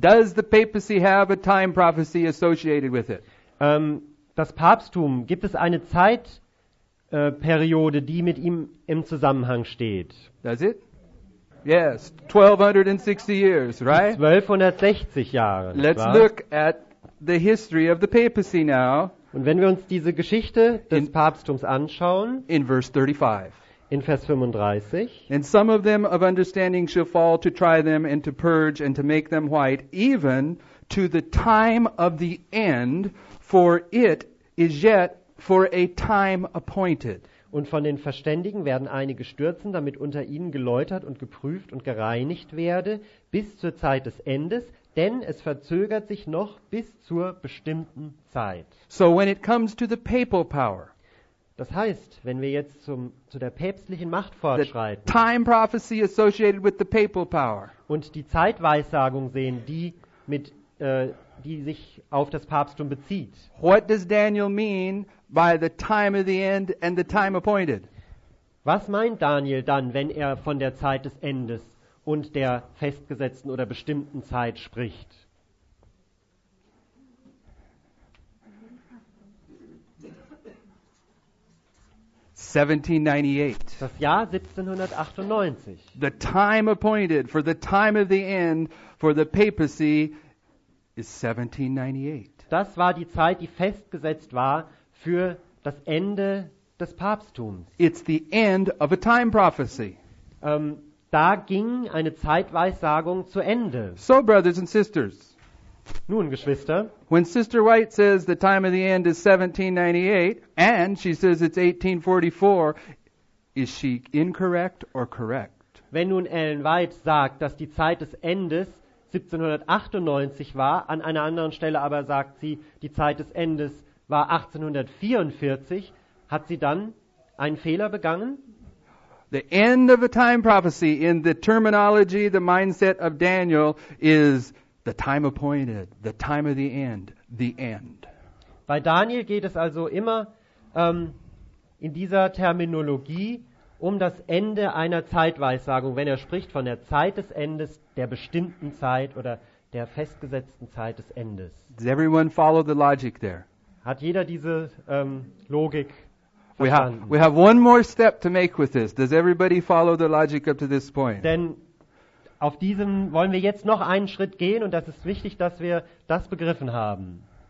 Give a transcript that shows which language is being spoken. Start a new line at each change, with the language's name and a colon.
English: Does the papacy have a time prophecy associated with it?
German: Das Papsttum, gibt es eine Zeit Periode, die mit ihm im Zusammenhang steht?
English: Does it? Yes, 1260 years, right?
German: 1260 Jahre.
English: Let's look at the history of the papacy now.
German: Und wenn wir uns diese Geschichte des Papsttums anschauen,
English: in verse 35.
German: In Vers 35.
English: And some of them of understanding shall fall to try them and to purge and to make them white, even to the time of the end, for it is yet for a time appointed.
German: Und von den Verständigen werden einige stürzen, damit unter ihnen geläutert und geprüft und gereinigt werde, bis zur Zeit des Endes, denn es verzögert sich noch bis zur bestimmten Zeit.
English: So when it comes to the papal power,
German: das heißt, wenn wir jetzt zu der päpstlichen Macht fortschreiten,
English: the time prophecy associated with the papal power,
German: und die Zeitweissagung sehen, die mit die sich auf das Papsttum bezieht.
English: What does Daniel mean by the time of the end and the time appointed?
German: Was meint Daniel dann, wenn er von der Zeit des Endes und der festgesetzten oder bestimmten Zeit spricht? Das Jahr 1798.
English: The time appointed for the time of the end for the papacy is 1798.
German: Das war die Zeit, die festgesetzt war für das Ende des Papsttums.
English: It's the end of a time prophecy.
German: Da ging eine Zeitweissagung zu Ende.
English: So, brothers and sisters.
German: Nun, Geschwister.
English: When Sister White says the time of the end is 1798 and she says it's 1844, is she incorrect or correct?
German: Wenn nun Ellen White sagt, dass die Zeit des Endes 1798 war, an einer anderen Stelle aber sagt sie, die Zeit des Endes war 1844, hat sie dann einen Fehler begangen?
English: The end of a time prophecy in the terminology, the mindset of Daniel is the time appointed, the time of the end, the end.
German: Bei Daniel geht es also immer in dieser Terminologie um das Ende einer Zeitweissagung, wenn er spricht von der Zeit des Endes, der bestimmten Zeit oder der festgesetzten Zeit des Endes.
English: Does everyone follow the logic there?
German: Hat jeder diese Logik verstanden?
English: We have one more step to make with this. Does everybody follow the logic up to this point?
German: Denn auf diesem wollen wir jetzt noch einen Schritt gehen und das ist wichtig, dass wir das begriffen haben.